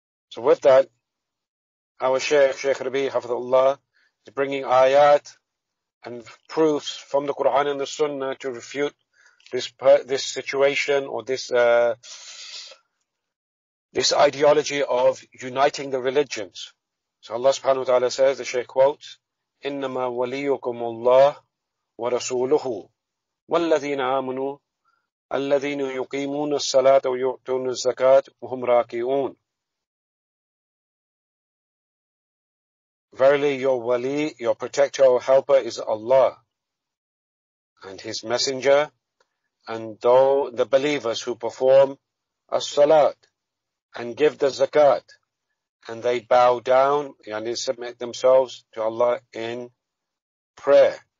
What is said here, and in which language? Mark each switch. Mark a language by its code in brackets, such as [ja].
[en] So with that, our Shaykh Rabi Hafidhullah is bringing ayat and proofs from the Quran and the Sunnah to refute this situation, or this ideology of uniting the religions. So Allah subhanahu wa ta'ala says, the Shaykh quotes, [ar] إِنَّمَا وَلِيُّكُمُ اللَّهُ وَرَسُولُهُ وَالَّذِينَ آمَنُوا الَّذِينَ يُقِيمُونَ الصَّلَاةَ وَيُؤْتُونَ الزَّكَاةَ وَهُمْ رَاكِعُونَ. [en] Verily, your wali, your protector or helper is Allah, and his messenger, and though the believers who perform as-salat and give the zakat, and they bow down and they submit themselves to Allah in prayer.